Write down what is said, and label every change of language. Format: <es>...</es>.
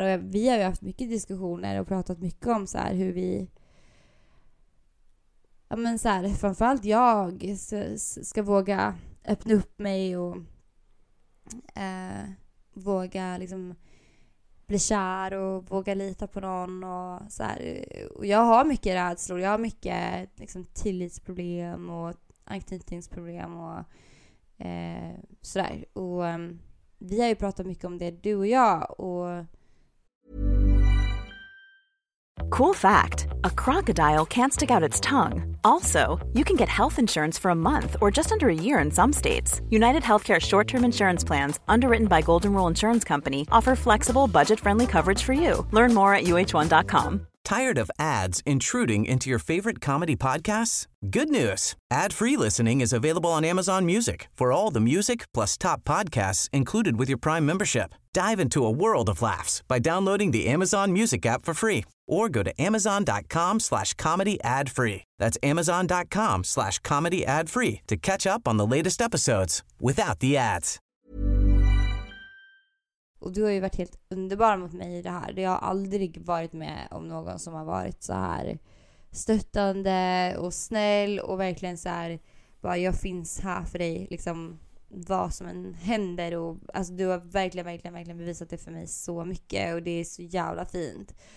<sv>Och vi har ju haft mycket diskussioner och pratat mycket om så här, hur vi, ja men så här, framförallt jag ska våga öppna upp mig och våga liksom bli kär och våga lita på någon och så här. Och jag har mycket rädslor, jag har mycket liksom tillitsproblem och anknytningsproblem och sådär. Och vi har ju pratat mycket om det, du och jag. Och</sv> <en>cool fact, a crocodile can't stick out its tongue. Also, you can get health insurance for a month or just under a year in some states. United Healthcare short-term insurance plans, underwritten by Golden Rule Insurance Company, offer flexible, budget-friendly coverage for you. Learn more at uh1.com. Tired of ads intruding into your favorite comedy podcasts? Good news! Ad-free listening is available on Amazon Music for all the music plus top podcasts included with your Prime membership. Dive into a world of laughs by downloading the Amazon Music app for free or go to amazon.com/comedyadfree. That's amazon.com/comedyadfree to catch up on the latest episodes without the ads.</en> <sv>Och du har ju varit helt underbar mot mig i det här. Jag har aldrig varit med om någon som har varit så här stöttande och snäll och verkligen så här bara jag finns här för dig liksom vad som än händer och alltså du har verkligen verkligen verkligen bevisat det för mig så mycket och det är så jävla fint.</sv>